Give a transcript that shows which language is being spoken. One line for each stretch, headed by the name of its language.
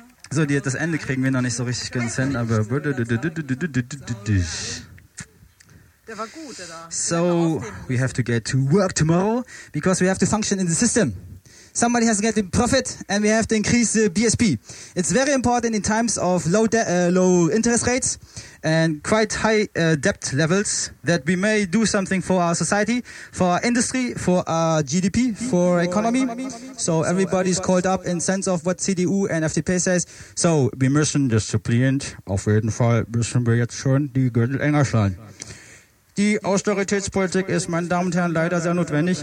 German: So, die, das Ende kriegen wir noch nicht so richtig ganz hin, aber... Der war gut, der da.
English: So, we have to get to work tomorrow, because we have to function in the system. Somebody has to get the profit, and we have to increase the BSP. It's very important in times of low interest rates and quite high debt levels that we may do something for our society, for our industry, for our GDP, for our economy. So everybody's called up in sense of what CDU and FDP says.
German: So we müssen diszipliniert, auf jeden Fall müssen wir jetzt schon die Gürtel enger schnallen. Die Austeritätspolitik ist, meine Damen und Herren, leider sehr notwendig.